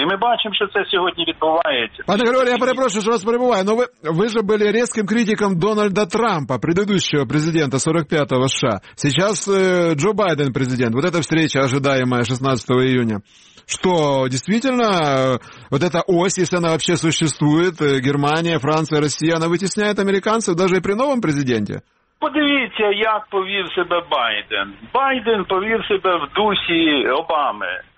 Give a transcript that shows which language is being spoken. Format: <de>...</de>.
<uk>І ми бачимо, що це сьогодні відбувається. Пане Григорію, я перепрошую, що вас перебуваю, але ви ж були різким критиком Дональда Трампа,</uk> <ru>предыдущего президента 45-го США.</ru> <uk>Зараз Джо Байден президент.</uk> <ru>Вот эта встреча, ожидаемая 16 июня. Что, действительно, вот эта ось, если она вообще существует, Германия, Франция, Россия, она вытесняет американцев даже и при новом президенте?</ru> <uk>Подивіться, як повів себе Байден. Байден повів себе в дусі Обами.</uk>